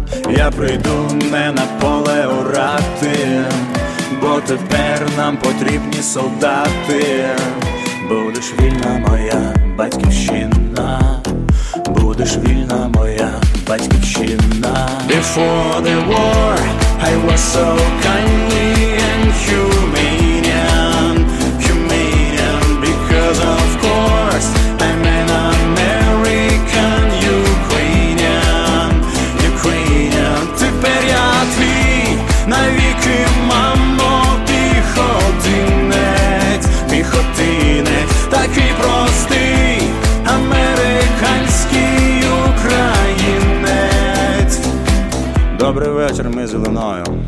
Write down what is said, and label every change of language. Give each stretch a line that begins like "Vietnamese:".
Ukrainian: Я прийду не на поле орати, бо тепер нам потрібні солдати. Будеш вільна моя батьківщина, будеш вільна моя батьківщина.
English: Before the war I was so kindly and humanian, humanian because of course I'm an American, Ukrainian, Ukrainian.
Ukrainian: Тепер я твій навіки, мамо, піхотинець, піхотинець, такий простий американський українець. Добрий вечір, ми зеленою.